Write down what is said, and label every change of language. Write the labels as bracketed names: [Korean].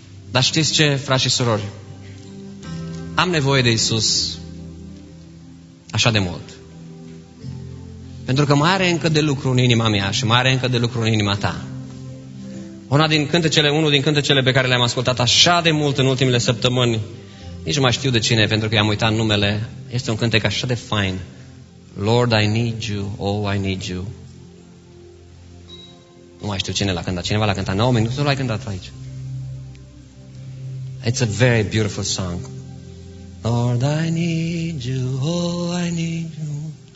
[Romanian] Dar știți ce, frați și surori? Am nevoie de Iisus așa de mult. Pentru că mai are încă de lucru în inima mea și mai are încă de lucru în inima ta. Unul din cântecele pe care le-am ascultat așa de mult în ultimele săptămâni, nici nu mai știu de cine, pentru că i-am uitat numele, este un cântec așa de fain. [English] Lord, I need you, oh, I need you. [Romanian] Nu mai știu cine l-a cântat. Cineva l-a cântat? Naomi, nu l-ai cântat aici. [English] It's a very beautiful song. Lord, I need you, oh, I need you.